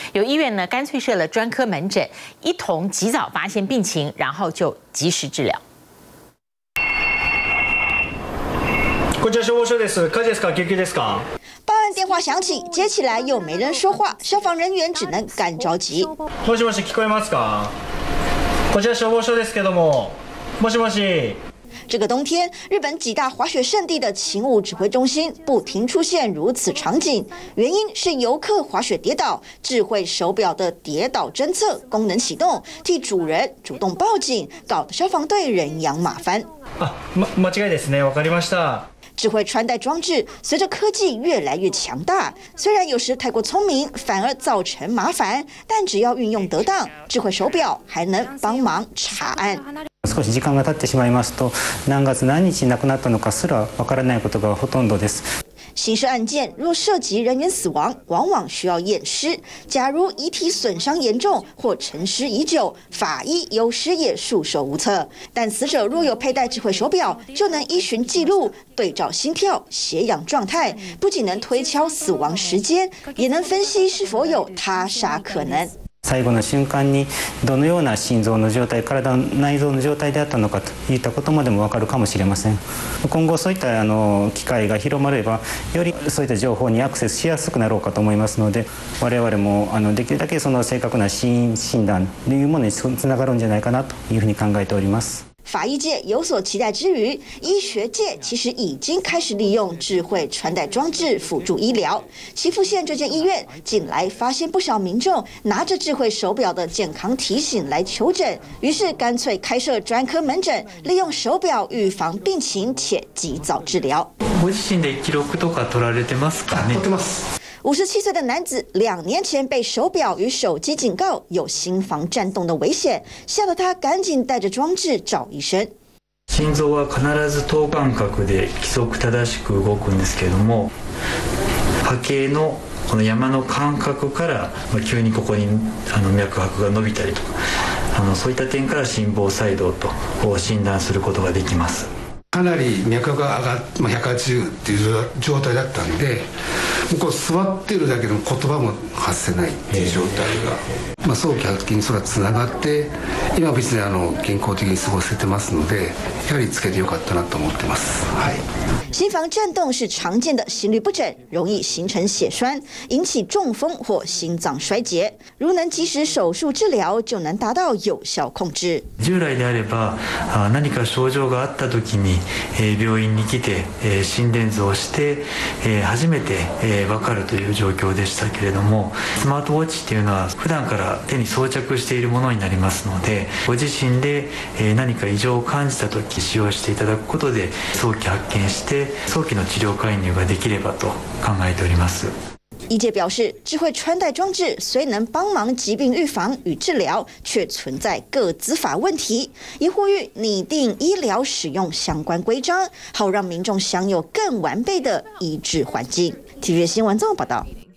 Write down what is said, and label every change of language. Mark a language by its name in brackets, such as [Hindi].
[Chinese] 有医院呢，干脆设了专科门诊，一同及早发现病情，然后就及时治疗。 [Japanese] こちら消防署です。火事ですか？救急ですか？ [Chinese] 报案电话响起，接起来又没人说话，消防人员只能干着急。 [Japanese] もしもし聞こえますか？こちら消防署ですけども、もしもし。 [Chinese] 这个冬天，日本几大滑雪圣地的勤务指挥中心不停出现如此场景，原因是游客滑雪跌倒，智慧手表的跌倒侦测功能启动，替主人主动报警，搞得消防队人仰马翻。 [Japanese] 間違いですね。わかりました。 [Chinese] 智慧穿戴装置随着科技越来越强大，虽然有时太过聪明反而造成麻烦，但只要运用得当，智慧手表还能帮忙查案。 [Japanese] 少し時間が経ってしまいますと、何月何日亡くなったのかすら分からないことがほとんどです。 [Chinese] 刑事案件若涉及人员死亡，往往需要验尸。假如遗体损伤严重或沉尸已久，法医有时也束手无策。但死者若有佩戴智慧手表，就能依循记录对照心跳、血氧状态，不仅能推敲死亡时间，也能分析是否有他杀可能。 [Japanese] 最後の瞬間にどのような心臓の状態、体の内臓の状態であったのかといったことまでも分かるかもしれません。今後そういった機会が広まれば、よりそういった情報にアクセスしやすくなろうかと思いますので、我々もできるだけその正確な死因診断というものにつながるんじゃないかなというふうに考えております。 [Chinese] 法医界有所期待之余，医学界其实已经开始利用智慧穿戴装置辅助医疗。岐阜县这间医院近来发现不少民众拿着智慧手表的健康提醒来求诊，于是干脆开设专科门诊，利用手表预防病情且及早治疗。 [Japanese] ご自身で記録とか取られてますかね？取ってます。 [Chinese] 57岁的男子两年前被手表与手机警告有心房颤动的危险，吓得他赶紧带着装置找医生。 [Japanese] 心臓は必ず等間隔で規則正しく動くんですけれども、波形のこの山の間隔から急にここに脈拍が伸びたりとか、そういった点から心房細動と診断することができます。かなり脈拍が上がって、180っていう状態だったんで、もうこう座ってるだけでも言葉も発せないっていう状態が、早期発見にそれはつながって、今別に健康的に過ごせてますので、やはりつけてよかったなと思ってます。はい。 [Chinese] 心房颤动是常见的心律不整，容易形成血栓，引起中风或心脏衰竭。如能及时手术治疗，就能达到有效控制。 [Japanese] 従来であれば、何か症状があった時に病院に来て心電図をして初めて分かるという状況でしたけれども、スマートウォッチっていうのは普段から手に装着しているものになりますので、ご自身で何か異常を感じた時使用していただくことで早期発見して。早期の治療介入ができればと考えております。 [Chinese] 医界表示，智慧穿戴装置虽能帮忙疾病预防与治疗，却存在个资法问题，也呼吁拟定医疗使用相关规章，好让民众享有更完备的医治环境。体育新闻综合报道。